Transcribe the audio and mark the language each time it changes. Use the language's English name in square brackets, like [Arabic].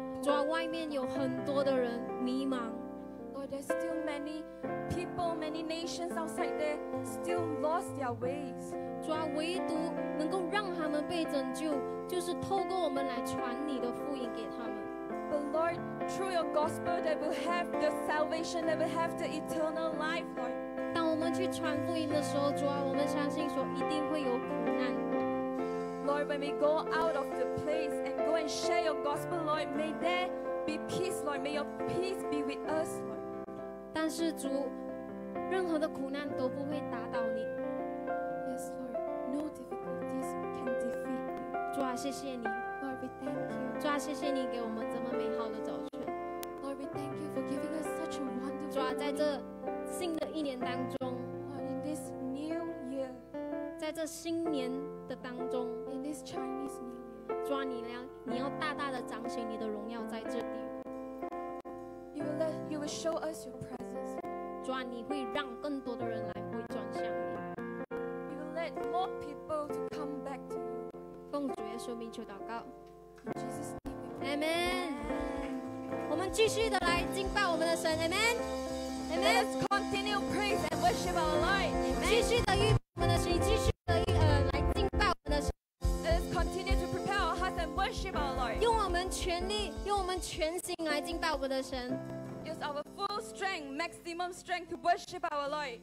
[Chinese] 主啊, 外面有很多的人迷茫, [English] Lord, there's still many people, many nations outside there still lost their ways. [Chinese] 主啊, 唯独能够让他们被拯救, 就是透过我们来传你的福音给他们, [English] but Lord, through your gospel they will have the salvation, they will have the eternal life, Lord. [Chinese] 当我们去传福音的时候, 主啊, 我们相信说一定会有苦难, [English] Lord, when we go out of the place and go and share your gospel, Lord, may there be peace, Lord, may your peace be with us, Lord. [Chinese] 但是主, 任何的苦难都不会打倒你, [English] yes, Lord, no difficulties can defeat you. [Chinese] 主啊, 谢谢你, [English] Lord, we thank you. [Chinese] 主啊, 谢谢你给我们这么美好的早晨, [English] Lord, we thank you for giving us such a wonderful, [Chinese] 主啊, 在这新的一年当中, [English] Lord, in this new year, [Chinese] 在这新年的当中, [English] in this Chinese new year, [Chinese] 主啊, 你要大大的彰显你的荣耀在这里, [English] you will show us your presence. [Chinese] 主啊, 你会让更多的人来过, [English] You let more people to come back to you. [Chinese] 奉主耶稣名求祷告。 [English] Jesus, Amen. [Chinese] 我们继续的来敬拜我们的神。 [English] Amen. Amen. Let us continue praise and worship our Lord. Amen. [Chinese] 继续的预备我们的神，继续的来敬拜我们的神。 [English] Let us continue to prepare our hearts and worship our Lord. [Chinese] 用我们全力，用我们全心来敬拜我们的神。 [English] Use our full strength, maximum strength to worship our Lord.